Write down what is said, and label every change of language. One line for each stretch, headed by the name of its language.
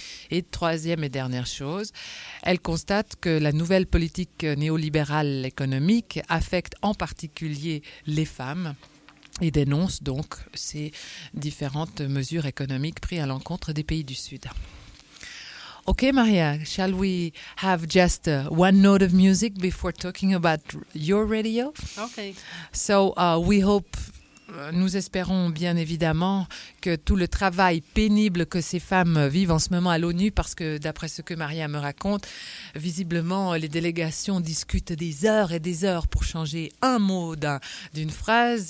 French: Et troisième et dernière chose, elle constate que la nouvelle politique néolibérale économique affecte en particulier les femmes et dénonce donc ces différentes mesures économiques prises à l'encontre des pays du Sud.
English: Okay, Maria, shall we have just one note of music before talking about your radio? Okay. So we hope
French: nous espérons bien évidemment que tout le travail pénible que ces femmes vivent en ce moment à l'ONU, parce que d'après ce que Maria me raconte, visiblement les délégations discutent des heures et des heures pour changer un mot d'une phrase.